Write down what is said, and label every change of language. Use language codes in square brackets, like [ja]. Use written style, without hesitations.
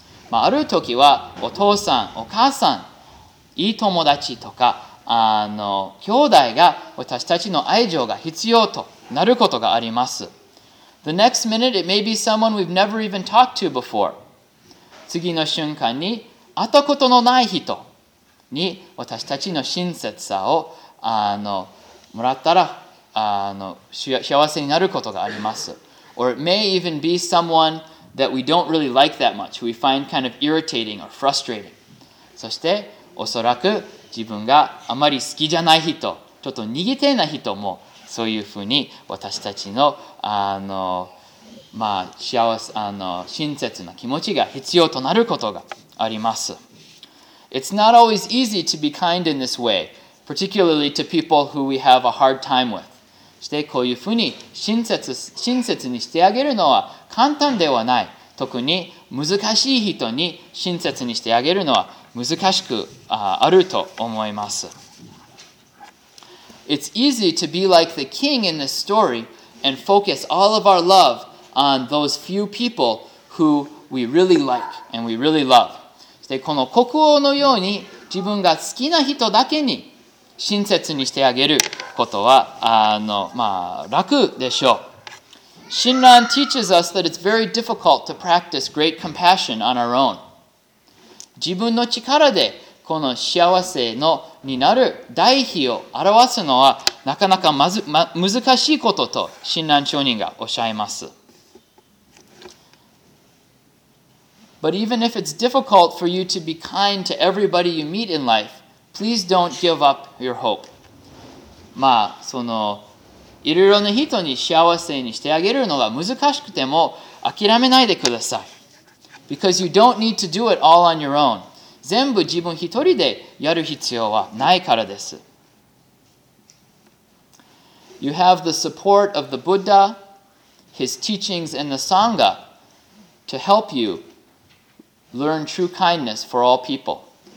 [ja] まあ、ある時はお父さん、お母さん、いい友達とか、兄弟が私たちの愛情が必要となることがあります。 [en] The next minute, it may be someone we've never even talked to before. [ja] 次の瞬間に会ったことのない人に私たちの親切さをもらったら幸せになることがあります。 [en] Or it may even be someone that we don't really like that much, who we find kind of irritating or frustrating. [ja] そしておそらく自分があまり好きじゃない人、ちょっと苦手な人もそういうふうに私たちの、まあ、幸せ、親切な気持ちが必要となることがあります。 [en] It's not always easy to be kind in this way, particularly to people who we have a hard time with. [ja] そしてこういうふうに親切にしてあげるのは簡単ではない。特に難しい人に親切にしてあげるのは難しくあると思います。 [en] It's easy to be like the king in this story and focus all of our love on those few people who we really like and we really love. [ja] そしてこの国王のように自分が好きな人だけに親切にしてあげることはまあ楽でしょう。 [en] Shinran teaches us that it's very difficult to practice great compassion on our own. [ja] 自分の力でこの幸せのになる代比を表すのはなかなかまず、難しいことと親鸞聖人がおっしゃいます。 [en] But even if it's difficult for you to be kind to everybody you meet in life, please don't give up your hope. [ja] まあ、いろいろな人に幸せにしてあげるのが難しくても諦めないでください。 [en] Because you don't need to do it all on your own. [ja] 全部自分一人でやる必要はないからです。 [en] You have the support of the Buddha, his teachings and the Sangha to help you learn true kindness for all people.